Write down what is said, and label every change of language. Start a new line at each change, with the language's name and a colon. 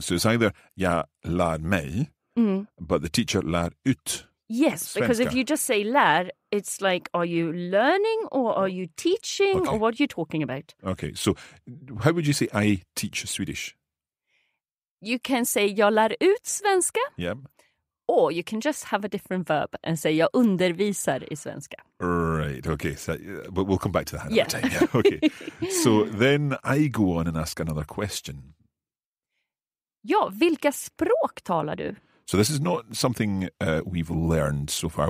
English: So it's either
Swedish: jag lär mig,
English: but the teacher lär ut.
Swedish: Yes, svenska.
English: Because if you just say lär, it's like, are you learning or are you teaching or what are you talking about? Okay, so how would you say I teach Swedish? You can say
Swedish: jag lär ut svenska.
English: Yep. Or you can just have a different verb and say
Swedish: jag undervisar I svenska.
English: Right, okay. So, but we'll come back to that another time. Yeah. Okay. So then I go on and ask another question.
Swedish: Ja, vilka språk talar du?
English: So this is not something we've learned so far.